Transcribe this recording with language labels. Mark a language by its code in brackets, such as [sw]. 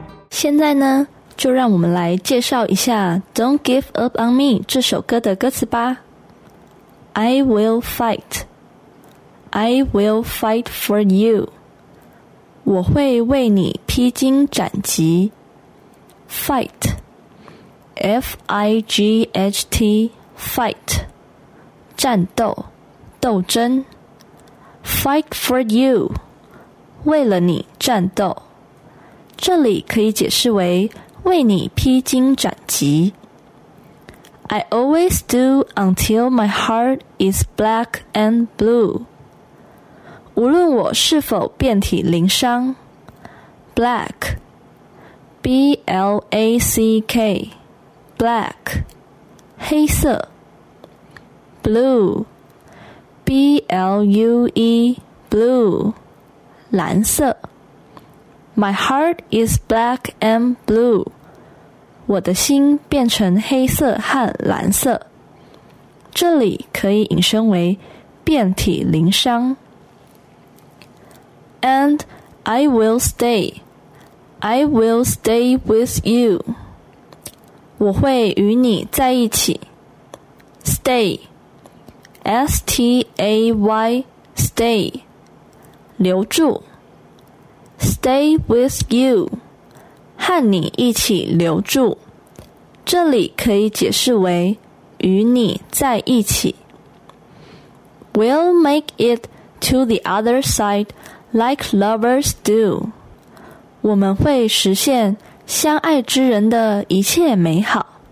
[zh] 现在呢，就让我们来介绍一下 Don't Give Up On Me 这首歌的歌词吧。 [en] I will fight, I will fight for you. [zh] 我会为你披荆斩棘。 [en] Fight, F-I-G-H-T, fight, [zh] 战斗、斗争。 [en] Fight for you, [zh] 为了你战斗，这里可以解释为为你披荆斩棘。 [en] I always do until my heart is black and blue. [zh] 无论我是否遍体鳞伤， [en] Black, B-L-A-C-K, Black, [zh] 黑色。 [en] Blue, B-L-U-E, Blue, [zh] 蓝色。 [en] My heart is black and blue. [zh] 我的心变成黑色和蓝色。这里可以引申为遍体鳞伤。 [en] And I will stay. I will stay with you. [zh] 我会与你在一起。 [en] Stay. S-T-A-Y, stay. [zh] 留住。 [en] Stay with you, [zh] 和你一起留住，这里可以解释为与你在一起。 [en] We'll make it to the other side like lovers do. [zh] 我们会实现相爱之人的一切美好。